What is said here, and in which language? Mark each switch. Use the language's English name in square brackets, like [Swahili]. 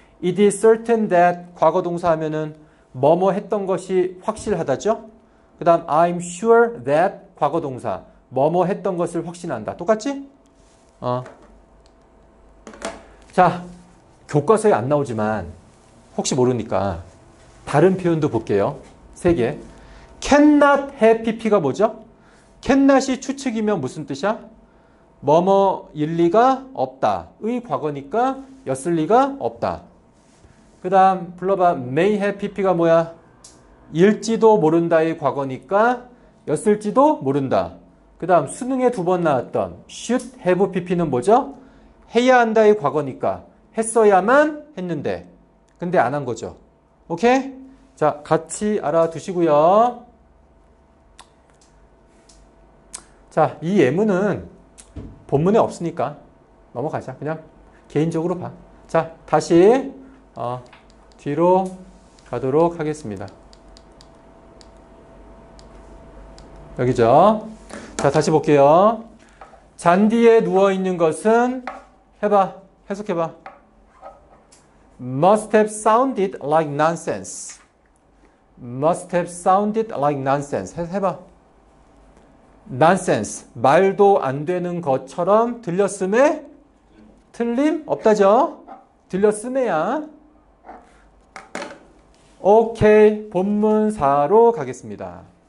[English] It is certain that [Korean] 과거 동사 하면은 뭐뭐 했던 것이 확실하다죠? 그 다음 [English] I'm sure that [Korean] 과거 동사 뭐뭐 했던 것을 확신한다. 똑같지? 자, 교과서에 안 나오지만 혹시 모르니까 다른 표현도 볼게요. 세 개. cannot have pp가 뭐죠? cannot이 추측이면 무슨 뜻이야? 뭐뭐 일리가 없다의 과거니까 였을 리가 없다. 그 다음 불러봐. may have pp가 뭐야? 일지도 모른다의 과거니까 였을지도 모른다. 그 다음 수능에 두 번 나왔던 should have pp는 뭐죠? 해야 한다의 과거니까 했어야만 했는데 근데 안 한 거죠. 오케이? 자, 같이 알아두시고요. 자, 이 예문은 본문에 없으니까 넘어가자. 그냥 개인적으로 봐. 자, 다시 뒤로 가도록 하겠습니다. 여기죠. 자, 다시 볼게요. 잔디에 누워 있는 것은 해봐. 해석해봐. [English] Must have sounded like nonsense. Must have sounded like nonsense. [Korean] 해봐. Nonsense. 말도 안 되는 것처럼 들렸음에 틀림 없다죠? 들렸음에야. Okay. 본문 4로 가겠습니다.